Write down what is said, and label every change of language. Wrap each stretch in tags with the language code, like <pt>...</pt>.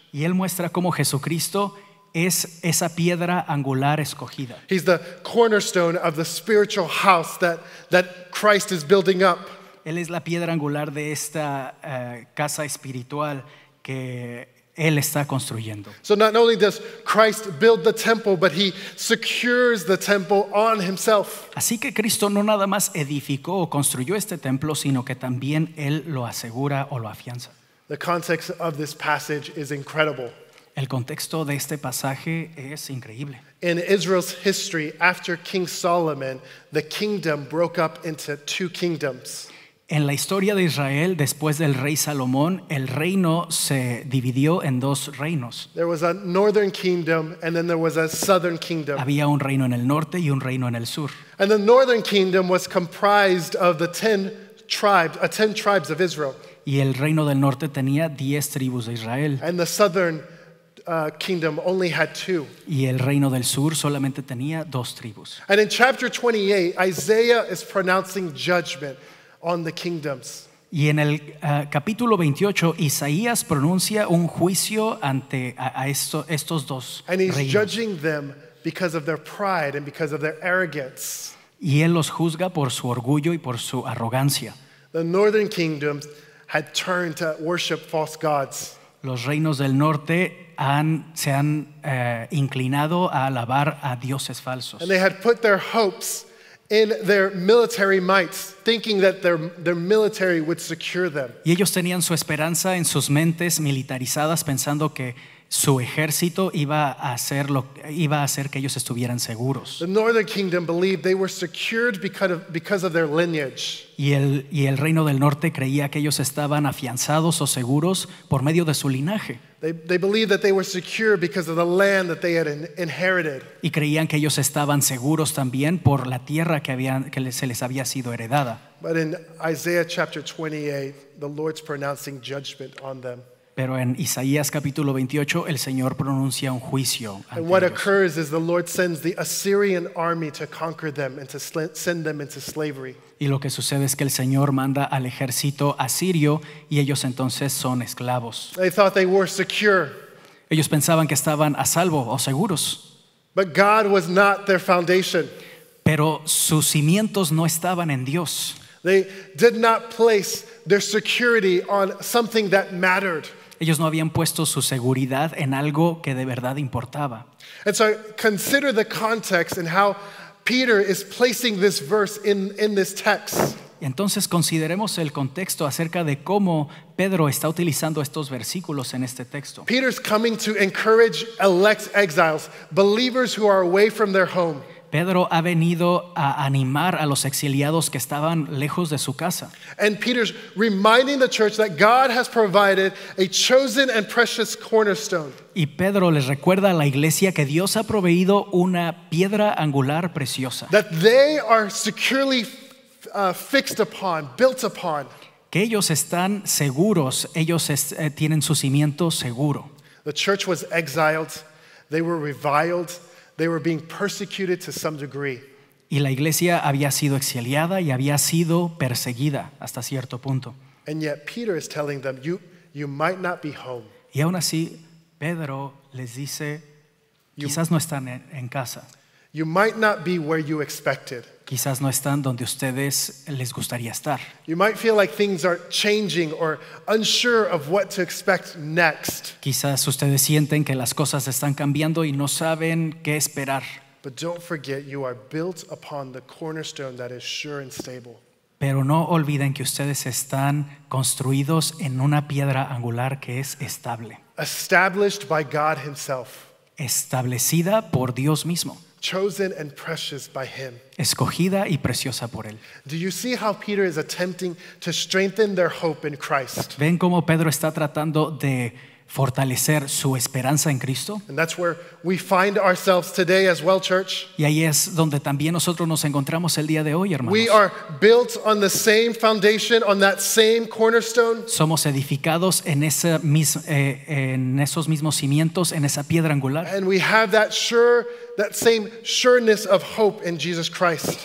<es>Y él muestra cómo Jesucristo es esa piedra angular escogida.</es> <en>He's the cornerstone of the spiritual house that Christ is building up.</en> <es>Él es la piedra angular de esta casa espiritual que él está construyendo.</es> <en>So not only does Christ build the temple, but he secures the temple on himself.</en> <es>Así que Cristo no nada más edificó o construyó este templo, sino que también él lo asegura o lo afianza.</es> <en>The context of this passage is incredible.</en> <es>El contexto de este pasaje es increíble.</es> <en>In Israel's history, after King Solomon, the kingdom broke up into two kingdoms.</en> <es>En la historia de Israel, después del rey Salomón, el reino se dividió en dos reinos.</es> <en>There was a northern kingdom and then there was a southern kingdom.</en> <es>Había un reino en el norte y un reino en el sur.</es> <en>And the northern kingdom was comprised of the 10 tribes of Israel.</en> <es>Y el reino del norte tenía 10 tribus de Israel.</es> <en>And the southern kingdom only had 2.</en> <es>Y el reino del sur solamente tenía 2 tribus.</es> <en>And in chapter 28, Isaiah is pronouncing judgment on the kingdoms.</en> <es>Y en el capítulo 28, Isaías pronuncia un juicio ante estos dos reinos.</es> <en>And he's judging them because of their pride and because of their arrogance.</en> <es>Y él los juzga por su orgullo y por su arrogancia.</es> <en>The northern kingdoms had turned to worship false gods.</en> <es>Los reinos del norte se han inclinado a alabar a dioses falsos.</es> <en>And they had put their hopes in their military might, thinking that their military would secure them.</en> <es>Y ellos tenían su esperanza en sus mentes militarizadas, pensando que su ejército iba a hacer que ellos estuvieran seguros.</es> <en>The northern kingdom believed they were secured because of their lineage.</en> <es>Y el reino del norte creía que ellos estaban afianzados o seguros por medio de su linaje.</es> <en>They believed that they were secure because of the land that they had inherited.</en> <es>Y creían que ellos estaban seguros también por la tierra que se les había sido heredada.</es> <en>But in Isaiah chapter 28, the Lord's pronouncing judgment on them.</en> <es>Pero en Isaías capítulo 28, el Señor pronuncia un juicio ante ellos.</es> <en>What occurs is the Lord sends the Assyrian army to conquer them and to send them into slavery.</en> <es>Y lo que sucede es que el Señor manda al ejército asirio y ellos entonces son esclavos.</es> <en>They thought they were secure.</en> <es>Ellos pensaban que estaban a salvo o seguros.</es> <en>But God was not their foundation.</en> <es>Pero sus cimientos no estaban en Dios.</es> <en>They did not place their security on something that mattered.</en> <es>Ellos no habían puesto su seguridad en algo que de verdad importaba.</es> <en>And so consider the context and how Peter is placing this verse in this text.</en> <es>Entonces consideremos el contexto acerca de cómo Pedro está utilizando estos versículos en este texto.</es> <en>Peter's coming to encourage elect exiles, believers who are away from their home.</en> <es>Pedro ha venido a animar a los exiliados que estaban lejos de su casa.</es> <en>And Peter's reminding the church that God has provided a chosen and precious cornerstone.</en> <es>Y Pedro les recuerda a la iglesia que Dios ha proveído una piedra angular preciosa.</es> <en>That they are securely fixed upon, built upon.</en> <es>Que ellos están seguros, ellos tienen su cimiento seguro.</es> <en>The church was exiled, they were reviled. They were being persecuted to some degree.</en> <es>Y la iglesia había sido exiliada y había sido perseguida hasta cierto punto.</es> <en>And yet Peter is telling them, you might not be home.</en> <es>Y aún así, Pedro les dice, quizás no están en casa.</es> <en>You might not be where you expected.</en> <es>Quizás no están donde ustedes les gustaría estar.</es> <en>You might feel like things are changing or unsure of what to expect next.</en> <es>Quizás ustedes sienten que las cosas están cambiando y no saben qué esperar.</es> <en>But don't forget, you are built upon the cornerstone that is sure and stable.</en> <es>Pero no olviden que ustedes están construidos en una piedra angular que es estable.</es> <en>Established by God himself.</en> <es>Establecida por Dios mismo.</es> <en>Chosen and precious by him.</en> <es>Escogida y preciosa por él.</es> <en>Do you see how Peter is attempting to strengthen their hope in Christ?</en> <es>¿Ven cómo Pedro está tratando de fortalecer su esperanza en Cristo?</es> <en>And that's where we find ourselves today as well, church.</en> <es>Y ahí es donde también nosotros nos encontramos el día de hoy, hermanos.</es> <en>We are built on the same foundation, on that same cornerstone.</en> <es>Somos edificados en esa en esos mismos cimientos, en esa piedra angular.</es> <en>And we have that sure, that same sureness of hope in Jesus Christ.</en>